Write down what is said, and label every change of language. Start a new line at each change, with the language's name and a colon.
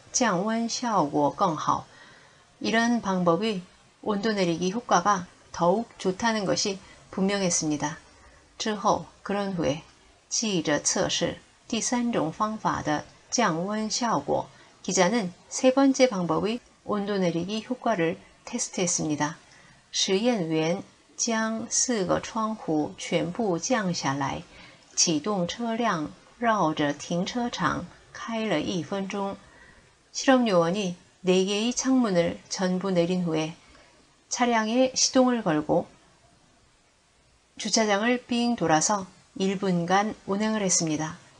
Chinese: 显然这种方法的降温效果更好.
Korean: 이런 방법이 온도 내리기 효과가 더욱 좋다는 것이 분명했습니다.
Chinese: 之后,
Korean: 그런 후에
Chinese: 记者测试第三种方法的降温效果.
Korean: 기자는 세 번째 방법의 온도 내리기 효과를 테스트했습니다.
Chinese: 实验员将四个窗户全部降下来启动车辆绕着停车场开了1分钟.
Korean: 실험 요원이 네 개의 창문을 전부 내린 후에 차량에 시동을 걸고 주차장을 삥 돌아서 1분간 운행을 했습니다.